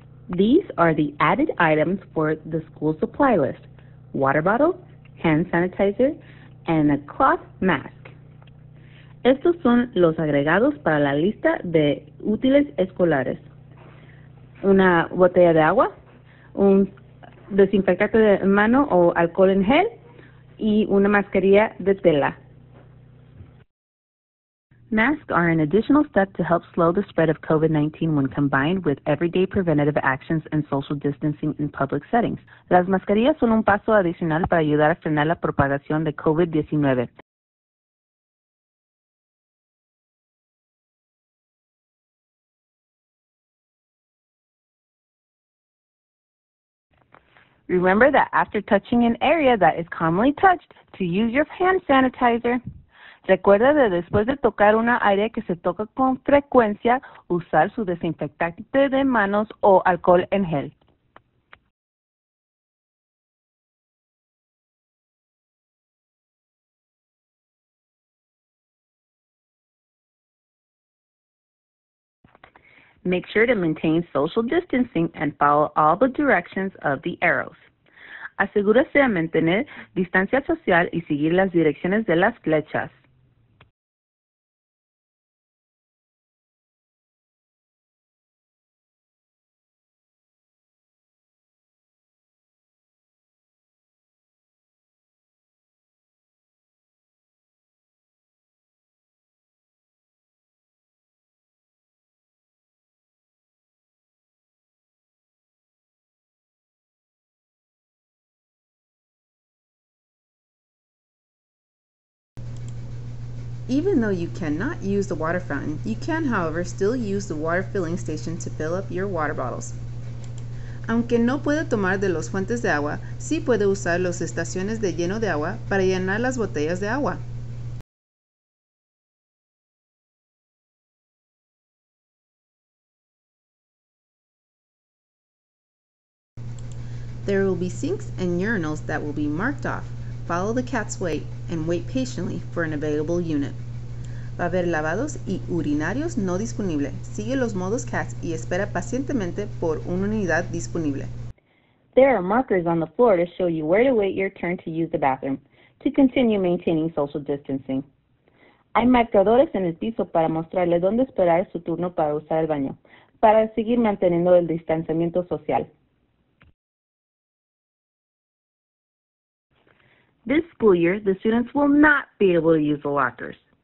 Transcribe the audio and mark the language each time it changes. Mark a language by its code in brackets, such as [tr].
[en] These are the added items for the school supply list: water bottle, hand sanitizer, and a cloth mask. [es] Estos son los agregados para la lista de útiles escolares. Una botella de agua, un desinfectante de mano o alcohol en gel, y una mascarilla de tela. [en] Masks are an additional step to help slow the spread of COVID-19 when combined with everyday preventative actions and social distancing in public settings. [es] Las mascarillas son un paso adicional para ayudar a frenar la propagación de COVID-19. [en] Remember that after touching an area that is commonly touched, to use your hand sanitizer. [es] Recuerda de después de tocar una área que se toca con frecuencia, usar su desinfectante de manos o alcohol en gel. [en] Make sure to maintain social distancing and follow all the directions of the arrows. [es] Asegúrese de mantener distancia social y seguir las direcciones de las flechas. [en] Even though you cannot use the water fountain, you can, however, still use the water filling station to fill up your water bottles. [es] Aunque no puede tomar de los fuentes de agua, sí puede usar los estaciones de lleno de agua para llenar las botellas de agua. [en] There will be sinks and urinals that will be marked off. Follow the cat's way and wait patiently for an available unit. [es] Va a haber lavados y urinarios no disponibles. Sigue los modos CATS y espera pacientemente por una unidad disponible. [en] There are markers on the floor to show you where to wait your turn to use the bathroom to continue maintaining social distancing. [es] Hay marcadores en el piso para mostrarle dónde esperar su turno para usar el baño, para seguir manteniendo el distanciamiento social. [en] This school year, the students will not be able to use the lockers.